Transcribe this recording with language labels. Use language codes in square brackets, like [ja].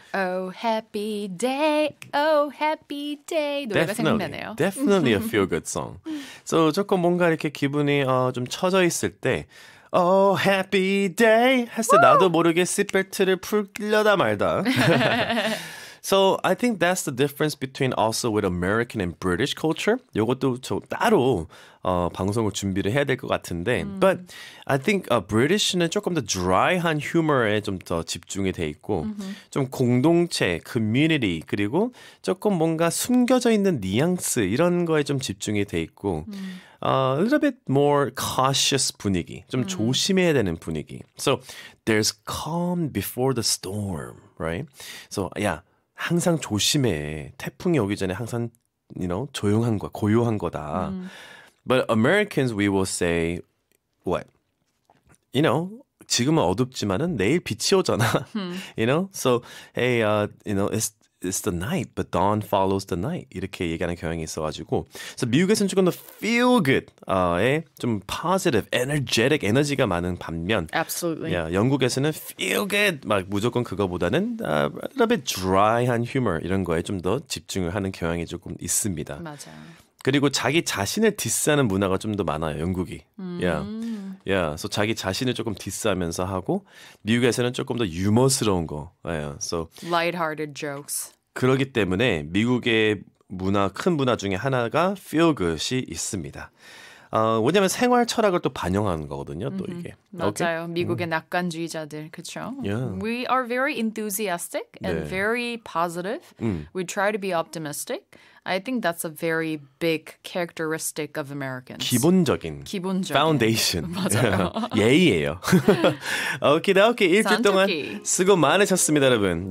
[en] Oh happy day. Oh happy day. [ko] 노래가 [en] definitely, [ko] 생각나네요. [en] Definitely a feel good song. So [ko] 조금 뭔가 이렇게 기분이 좀 처져 있을 때 [en] Oh, happy day! [ko] 했을 때 나도 모르게 시트벨트를 풀려다 말다. [en] So I think that's the difference between also with American and British culture. [ko] 이것도 저 따로 방송을 준비를 해야 될 것 같은데 [en] But I think [ko] British는 조금 더 dry한 humor에 좀 더 집중이 돼 있고 좀 공동체, community 그리고 조금 뭔가 숨겨져 있는 뉘앙스 이런 거에 좀 집중이 돼 있고 [en] a little bit more cautious [ko] 분위기 좀 조심해야 되는 분위기 [en] So there's calm before the storm, right? So yeah [ko] 항상 조심해. 태풍이 오기 전에 항상, you know, 조용한 거, 고요한 거다. [en] But Americans, we will say, what? You know, [ko] 지금은 어둡지만은 내일 빛이 오잖아. [en] You know, so, hey, you know, it's the night, but dawn follows the night. [ko] 이렇게 얘기하는 경향이 있어가지고. So 미국에서는 조금 더 feel good, 좀 positive, energetic, 에너지가 많은 반면. [en] Absolutely. [ko] Yeah, 영국에서는 feel good, 막 무조건 그거보다는 [en] a little bit [ko] dry한 humor, 이런 거에 좀 더 집중을 하는 경향이 조금 있습니다. 맞아요. 그리고 자기 자신을 디스하는 문화가 좀 더 많아요, 영국이. [en] Yeah. Yeah. [ko] So 자기 자신을 조금 디스하면서 하고 미국에서는 조금 더 유머스러운 거. [en] Yeah. So lighthearted jokes. [ko] 그러기 때문에 미국의 문화 큰 문화 중에 하나가 feel good이 있습니다. 왜냐면 생활 철학을 또 반영하는 거거든요, 또 이게. 맞아요. Okay? 미국의 낙관주의자들, 그렇죠? [en] Yeah. We are very enthusiastic and 네. very positive. We try to be optimistic. I think that's a very big characteristic of Americans. [ko] 기본적인. Foundation. 맞아요. 예의예요. 오키다오키, 일주일 동안 수고 많으셨습니다, 여러분.